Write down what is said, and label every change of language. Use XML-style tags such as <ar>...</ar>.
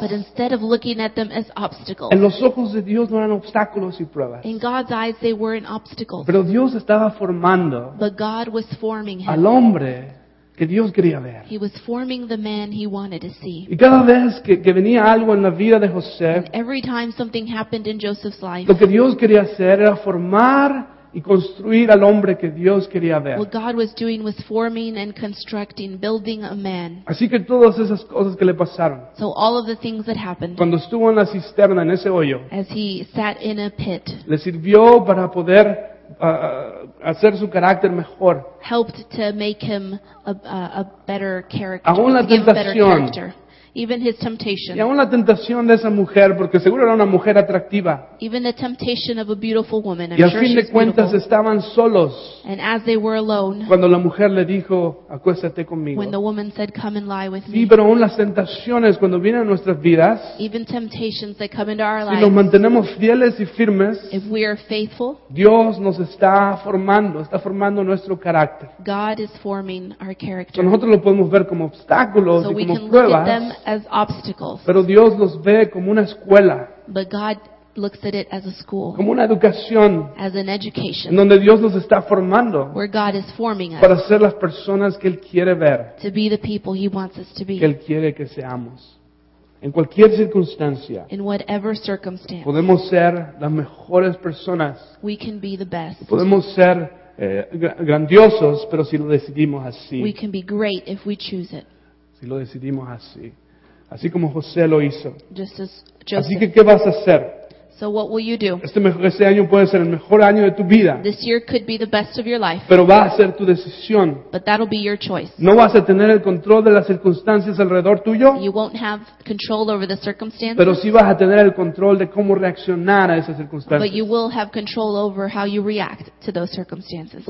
<en>but instead of looking at them as obstacles,</en> <es>en los ojos de Dios no eran obstáculos y pruebas.</es> <en>In God's eyes they weren't obstacles.</en> <es>Pero Dios estaba formando,</es> <en>but God was forming him.</en> <es>Al hombre que Dios quería ver.</es> <en>He was forming the man he wanted to see.</en> <es>Y cada vez que venía algo en la vida de José,</es> <en>every time something happened in Joseph's life,</en> <es>lo que Dios quería hacer era formar y construir al hombre que Dios quería ver.</es> <en>What God was doing was forming and constructing, building a man.</en> <es>Así que todas esas cosas que le pasaron.</es> <en>So all of the things that happened.</en> <es>Cuando estuvo en la cisterna, en ese hoyo.</es> <en>As he sat in a pit.</en> <es>Le sirvió para poder hacer su carácter mejor.</es> <en>Helped to make him a better character.</en> <es>Aún la tentación.</es> <en>Even his temptation.</en> <es>Y aún la tentación de esa mujer, porque seguro era una mujer atractiva.</es> <en>Even the temptation of a beautiful woman.</en> <es>Y al fin de cuentas estaban solos.</es> <en>And as they were alone.</en> <es>Cuando la mujer le dijo, acuéstate conmigo.</es> <en>When the woman said, come and lie with me.</en> <es>Sí, pero aún las tentaciones cuando vienen a nuestras vidas.</es> <en>Even temptations that come into our lives.</en> <es>Si nos mantenemos fieles y firmes.</es> <en>If we are faithful.</en> <es>Dios nos está formando nuestro carácter.</es> <en>God is forming our character.</en> <es>Nosotros lo podemos ver como obstáculos</es> <en>so</en> <es>y como pruebas.</es> <en>As obstacles.</en> <es>Pero Dios los ve como una escuela.</es> <en>But God looks at it as a school.</en> <es>Como una educación.</es> <en>As an education.</en> <es>En donde Dios nos está formando.</es> <en>Where God is forming us.</en> <es>Para ser las personas que Él quiere ver.</es> <en>To be the people He wants us to be.</en> <es>Que Él quiere que seamos. En cualquier circunstancia.</es> <en>In whatever circumstance.</en> <es>Podemos ser las mejores personas.</es> <en>We can be the best.</en> <es>Podemos ser grandiosos, pero si lo decidimos así.</es> <en>We can be great if we choose it.</en> <es>Si lo decidimos así. Así como José lo hizo.</es> <en>Just as Joseph.</en> <es>Así que, ¿qué vas a hacer?</es> <en>So what will you do?</en> <es>Este año puede ser el mejor año de tu vida.</es> <en>This year could be the best of your life.</en> <es>Pero va a ser tu decisión.</es> <en>But that'll be your choice.</en> <es>No vas a tener el control de las circunstancias alrededor tuyo.</es> <en>You won't have control over the circumstances.</en> <es>Pero sí vas a tener el control de cómo reaccionar a esas circunstancias.</es> <en>But you will have control over how you react to those circumstances.</en>